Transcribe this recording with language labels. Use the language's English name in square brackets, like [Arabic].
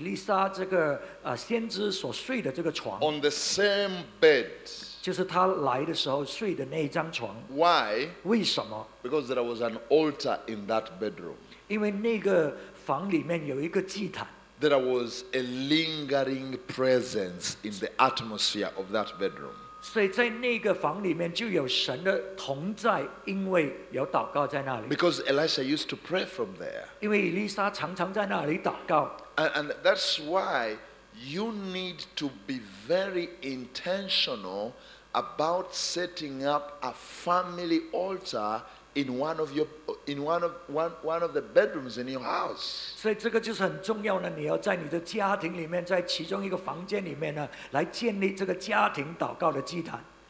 [Chinese] 所以这个妇人就决定把这个孩子的尸体放在这个以利沙这个先知所睡的这个床。 [English] On the same bed. [Chinese] 就是他来的时候睡的那一张床。 [English] Why? [Chinese] 为什么? [English] Because there was an altar in that bedroom. [Chinese] 因为那个房里面有一个祭坛。 [English] There was a lingering presence in the atmosphere of that bedroom. [Chinese] 所以在那个房里面就有神的同在，因为有祷告在那里。 [English] Because Elisha used to pray from there. [Chinese] 因为以利沙常常在那里祷告。And [English] that's why you need to be very intentional about setting up a family altar in one of the bedrooms in your house. [Chinese] 所以这个就是很重要的，你要在你的家庭里面，在其中一个房间里面呢，来建立这个家庭祷告的祭坛。